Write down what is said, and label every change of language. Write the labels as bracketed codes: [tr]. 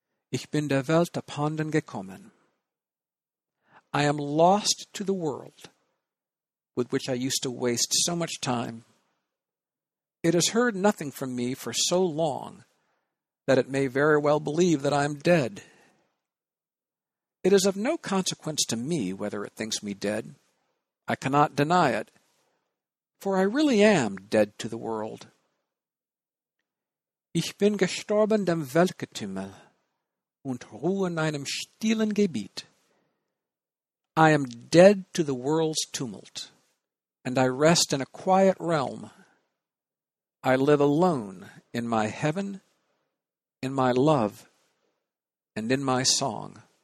[de] Ich bin der Welt abhanden gekommen. [en] I am lost to the world, with which I used to waste so much time. It has heard nothing from me for so long that it may very well believe that I am dead. It is of no consequence to me whether it thinks me dead. I cannot deny it, for I really am dead to the world. [de] Ich bin gestorben dem Weltgetümmel und ruhe in einem stillen Gebiet. [en] I am dead to the world's tumult, and I rest in a quiet realm. I live alone in my heaven, in my love, and in my song.